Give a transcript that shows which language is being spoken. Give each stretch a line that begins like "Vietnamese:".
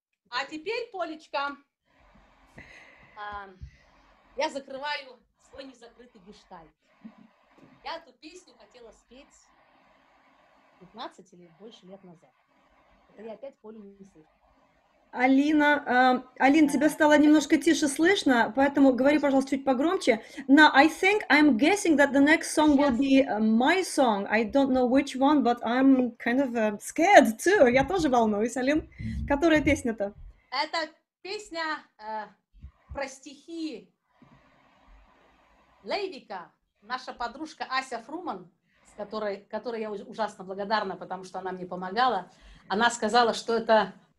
Russian: А теперь, Полечка, я закрываю свой незакрытый гештальт. Я эту песню хотела спеть 15 или больше лет назад. И опять Полю не слышу. Алина, Алин, тебя стало немножко тише слышно, поэтому говори, пожалуйста, чуть погромче.
English: Now, I think, I'm guessing that the next song will be my song. I don't know which one, but I'm kind of scared too.
Russian: Я тоже волнуюсь, Алин. Которая песня-то? Это песня про стихи Лейвика. Наша подружка Ася Фруман, которой я ужасно благодарна, потому что она мне помогала, она сказала, что это...